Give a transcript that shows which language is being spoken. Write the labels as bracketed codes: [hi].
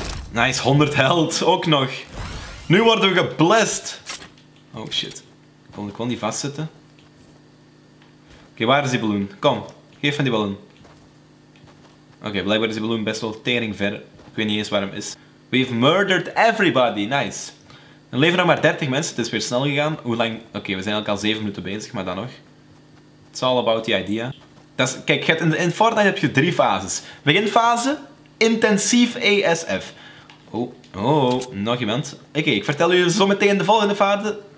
[nl] Nice, 100 health, ook nog. Nu worden we geblest. Oh shit. Kon ik wel niet vastzitten? Oké, waar is die balloon? Kom, geef van die balloon. Oké, blijkbaar is die balloon best wel tering ver. Ik weet niet eens waar hem is. [en] We've murdered everybody, nice. [nl] Er leven nog maar 30 mensen, het is weer snel gegaan. Hoe lang? Oké, we zijn eigenlijk al 7 minuten bezig, maar dan nog. [en] It's all about the idea. [nl] Dat is, kijk, in Fortnite heb je 3 fases. Beginfase, intensief ASF. Oh, nog iemand. Oké, ik vertel jullie zo meteen de volgende